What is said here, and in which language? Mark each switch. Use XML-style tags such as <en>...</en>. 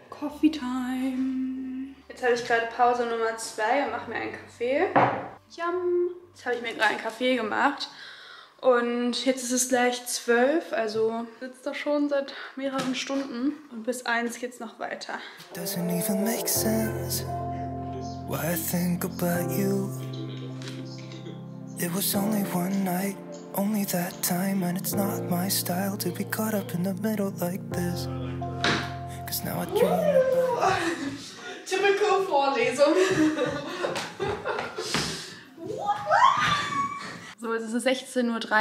<de>Coffee Time. Jetzt habe ich gerade Pause Nummer 2 und mache mir einen Kaffee. Yum! Jetzt habe ich mir gerade einen Kaffee gemacht. Und jetzt ist es gleich 12, also sitzt da schon seit mehreren Stunden. Und bis 1 geht's noch weiter.</de> <en>Doesn't even make sense why I think about you. It was only one night, only that time. And it's not my style to be caught up in the middle like this.</en> <de>Cause now I dream about Typical Vorlesung. So, es ist 16.30 Uhr.</de>